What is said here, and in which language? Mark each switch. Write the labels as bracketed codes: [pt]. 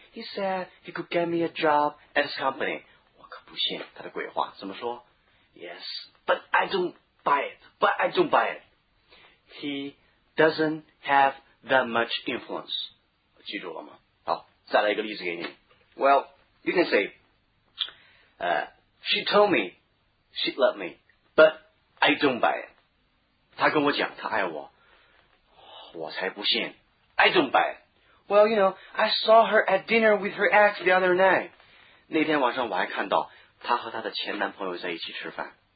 [en] He said he could get me a job at his company. [zh] 我可不信他的鬼话。怎么说 [en] ?Yes, but I don't buy it. But I don't buy it. He doesn't have that much influence. [zh] 记住了吗好再来一个例子给你。 [en] Well, you can say, she told me she loved me, but I don't buy it. [zh] 他跟我讲他爱我。我才不信。 [en] I don't buy it. Well, you know, I saw her at dinner with her ex the other night. [zh] 那天晚上我还看到她和她的前男朋友在一起吃饭。